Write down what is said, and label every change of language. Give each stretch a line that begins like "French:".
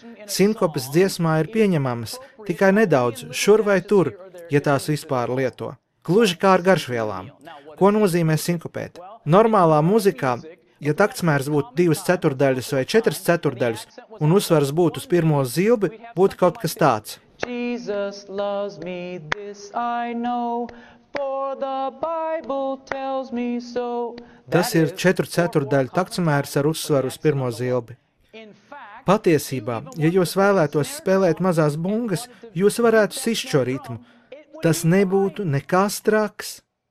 Latvian: Sinkopas dziesmā ir pieņemamas, tikai nedaudz, šur vai tur, ja tās vispār lieto. Kluži kā ar garšvielām. Ko nozīmē sinkopēt? Normālā muzikā, ja taktsmērs būtu 2/4 vai 4/4 un uzsvars būtu uz pirmo zilbi, būtu kaut kas tāds.
English: Jesus loves me, this I know. For the Bible tells me so.
Latvian: Tas ir 4/4 taktsmērs ar uzsvaru uz pirmo zilbi. Patiesībā, ja jūs vēlētos spēlēt mazās bungas, jūs varētu sist šo ritmu. Tas nebūtu nekas traks.